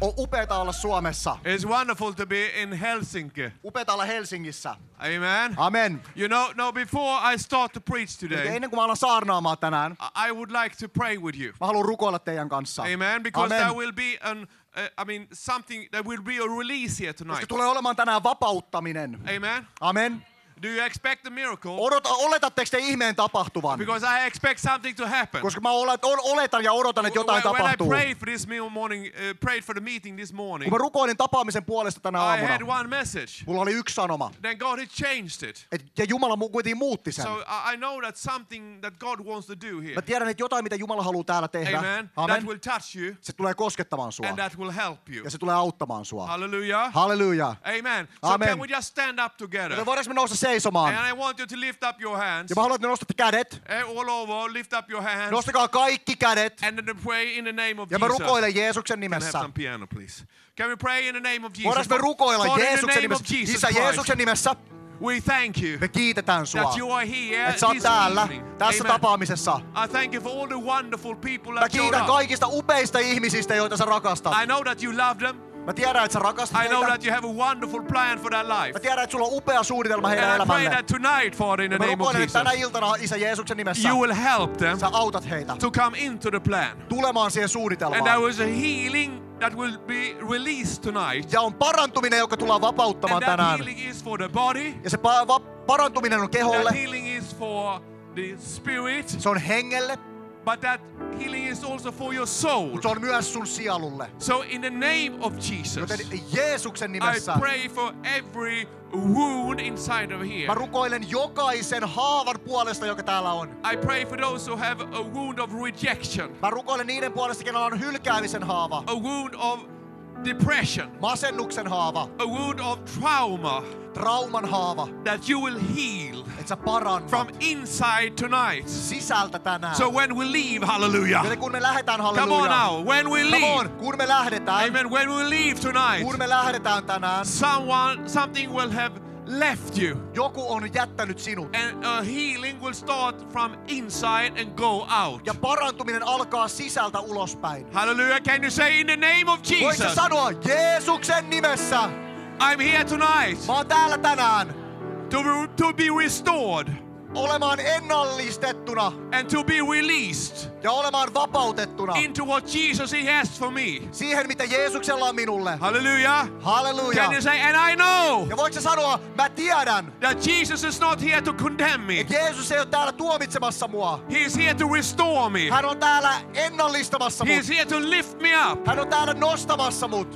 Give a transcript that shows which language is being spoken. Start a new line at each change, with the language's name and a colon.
Finnish: On upeeta olla Suomessa.
English: It's wonderful to be in Helsinki.
Finnish: Upeeta olla Helsingissä. Amen. Amen.
English: You know, no, before I start to preach today.
Finnish: Ennen kuin mä alan saarnaamaan tänään.
English: I would like to pray with you.
Finnish: Mä haluan rukoilla teidän kanssa.
English: Amen. Because Amen. There will be an something that will be a release here tonight.
Finnish: Koska tulee olemaan tänään vapauttaminen. Amen. Amen.
English: Do you expect the miracle?
Finnish: Oletatteko te ihmeen tapahtuvan?
English: Because I expect something to happen.
Finnish: Koska mä oletan ja odotan, että jotain
English: when
Finnish: tapahtuu.
English: When I prayed for this morning, prayed for the meeting this morning.
Finnish: Kun mä rukoilin tapaamisen puolesta tänä aamuna.
English: I had one message.
Finnish: Mulla oli yksi sanoma.
English: Then God had changed it.
Finnish: Ja Jumala kuitenkin muutti sen.
English: So I know that something that God wants to do here.
Finnish: Mä tiedän, että jotain, mitä Jumala haluaa täällä tehdä.
English: Amen. Amen. That will touch you.
Finnish: Se tulee koskettamaan sua.
English: And that will help you.
Finnish: Ja se tulee auttamaan sua. Hallelujah. Hallelujah.
English: Amen. So Amen. Can we just stand up together?
Finnish: Voidaanko me nousta seisomaan.
English: And I want you to lift up your hands.
Finnish: Ja mä haluan, että nostatte kädet.
English: All over, lift up your hands.
Finnish: Nostakaa kaikki kädet.
English: And then pray in the name of
Finnish: ja mä rukoilen Jeesuksen nimessä.
English: Can I have some piano, please? Can we pray in the name of Jesus?
Finnish: Voidaanko me rukoilla Jeesuksen nimessä? Isä, Jeesuksen nimessä.
English: We thank you.
Finnish: Me kiitetään sua.
English: That you are here.
Finnish: Et sä oot täällä tässä tapaamisessa.
English: I thank you for all the wonderful people that
Finnish: mä kiitän kaikista upeista ihmisistä, joita sä rakastat.
English: I know that you love them.
Finnish: Mä tiedän, että sä rakastat heitä.
English: I know that you have a wonderful plan for their life.
Finnish: Mä tiedän, että sulla on upea suunnitelma heidän elämälle.
English: And I pray that tonight, Father, in the name of Jesus.
Finnish: Tänä iltana, Isä, Jeesuksen nimessä.
English: You will help them.
Finnish: Sä autat heitä.
English: To come into the plan.
Finnish: Tulemaan siihen suunnitelmaan.
English: And there was a healing that will be released tonight.
Finnish: Ja on parantuminen, joka tullaan vapauttamaan tänään.
English: And that healing is for the body.
Finnish: Ja se parantuminen on keholle.
English: That healing is for the spirit.
Finnish: Se on hengelle.
English: But that healing is also for your soul.
Finnish: Mut se on myös sun sielulle.
English: So in the name of Jesus.
Finnish: Joten Jeesuksen nimessä.
English: I pray for every wound inside of here.
Finnish: Mä rukoilen jokaisen haavan puolesta, joka täällä on.
English: I pray for those who have a wound of rejection.
Finnish: Mä rukoilen niiden puolesta, kenellä on hylkäämisen haava.
English: A wound of depression.
Finnish: Masennuksen haava.
English: A wound of trauma.
Finnish: Trauman haava.
English: That you will heal.
Finnish: Et sä parannat.
English: From inside tonight.
Finnish: Sisältä tänään.
English: So when we leave, hallelujah.
Finnish: Joten kun me lähdetään, hallelujah.
English: Come on now, when we leave. Come on,
Finnish: kun me lähdetään.
English: Amen, when we leave tonight.
Finnish: Kun me lähdetään tänään.
English: Something will have left you.
Finnish: Joku on jättänyt sinut.
English: And a healing will start from inside and go out.
Finnish: Ja parantuminen alkaa sisältä ulospäin.
English: Hallelujah, can you say in the name of Jesus?
Finnish: Voitko sanoa Jeesuksen nimessä?
English: I'm here tonight.
Finnish: Mä oon täällä tänään.
English: To be restored.
Finnish: Olemaan ennallistettuna.
English: And to be released.
Finnish: Ja olemaan vapautettuna.
English: Into what Jesus he has for me.
Finnish: Siihen, mitä Jeesuksella on minulle. Hallelujah. Hallelujah.
English: Can you say, and I know.
Finnish: Ja voit sä sanoa, mä tiedän.
English: That Jesus is not here to condemn me.
Finnish: Et Jeesus ei ole täällä tuomitsemassa mua.
English: He is here to restore me.
Finnish: Hän on täällä ennallistamassa mut.
English: He is here to lift me up.
Finnish: Hän on täällä nostamassa mut.